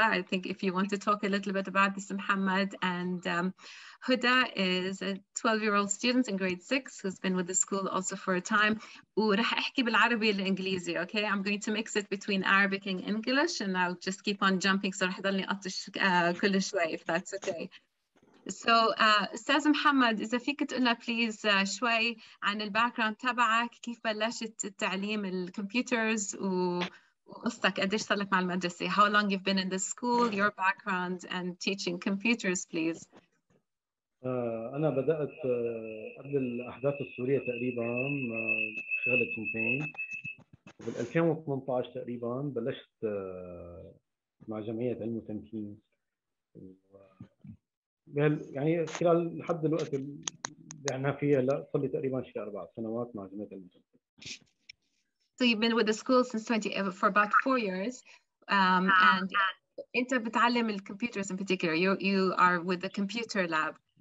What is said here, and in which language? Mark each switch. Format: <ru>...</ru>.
<en>I think if you want to talk a little bit about this, Mohammed. And Huda is a 12-year-old student in grade 6 who's been with the school also for a time. Okay, I'm going to mix it between Arabic and English, and I'll just keep on jumping. So if that's okay.</en> <ar>So, Ustaz Mohammed, إذا فيك تقولنا بليز شوي عن الباكراوند تبعك, كيف بلشت تعليم الكمبيوترز وقصتك, قديش صار لك مع المدرسة,</ar> <en>how long you've been in the school, your background and teaching computers, please.</en> <ar>أنا بدأت قبل الأحداث السورية تقريباً شغلة سنتين, وفي 2018 تقريباً بلشت مع جمعية علم وتمكين. يعني خلال حد الوقت اللي احنا فيه لا صار لي تقريبا شي 4 سنوات مع جمعية علم وتمكين.</ar> <en>So you've been with the school since 20 for about 4 years and</en> <ar>انت بتعلم الكمبيوترز</ar> <en>in particular, you are with the computer lab.</en>